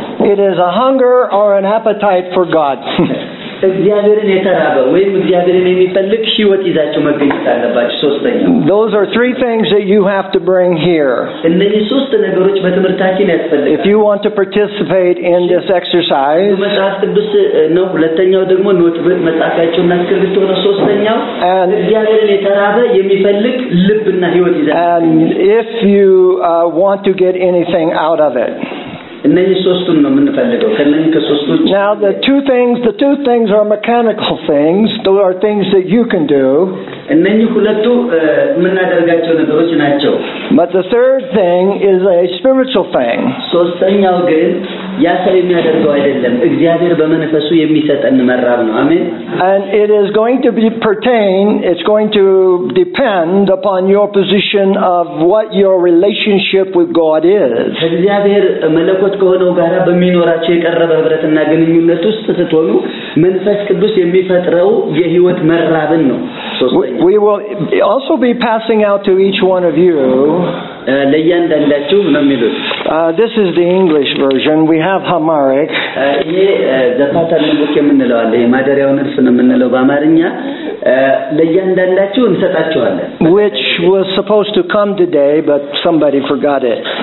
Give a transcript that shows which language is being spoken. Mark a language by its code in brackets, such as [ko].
[en] It is a hunger or an appetite for God. [am] እግዚአብሔርን የተራበ ወይም እግዚአብሔርን የሚፈልግ ህይወት ይዛችሁ መገኘት አለባችሁ ሶስተኛ. [en] Those are three things that you have to bring here. [am] እነዚህ ሶስት ነገሮች በትምርታችን ያስፈልጋል. [en] If you want to participate in this exercise. [am] መጽሐፍ ቅዱስ ነው ሁለተኛው ደግሞ ኖትቡክ መጻፊያችሁ እና እስክሪብቶ ነው ሶስተኛው. እግዚአብሔርን የተራበ የሚፈልግ ልብና ህይወት ይዛችሁ. [en] And if you want to get anything out of it. [am] እነኚህ ሶስቱን ነው የምንፈልገው ከነኚህ ከሶስቱ. [en] Now the two things are mechanical things. Those are things that you can do. [am] እነኚህ ሁለቱ የምናደርጋቸው ነገሮች ናቸው. [en] But the third thing is a spiritual thing. [am] ሶስተኛው ግን ያ ሰው የሚያደርገው አይደለም እግዚአብሔር በመንፈሱ የሚሰጠን መራብ ነው. አሜን. [en] And it is going to be it's going to depend upon your position of what your relationship with God is. [am] እግዚአብሔር መለኮት ከሆነው ጋራ በሚኖራችሁ የቀረበ ህብረትና ግንኙነት ውስጥ ስትሆኑ መንፈስ ቅዱስ የሚፈጥረው የህይወት መራብን ነው. [en] We will also be passing out to each one of you [am] ለእያንዳንዳችሁ ምን ይሉት [en] this is the English version. We have Hamaric. [am] ዘፓታንም እንደምንለው አለ የማደሪያው ንፍስ ነው የምንለው በአማርኛ ለእያንዳንዳችሁ እንሰጣችኋለን. [en] Which was supposed to come today but somebody forgot it.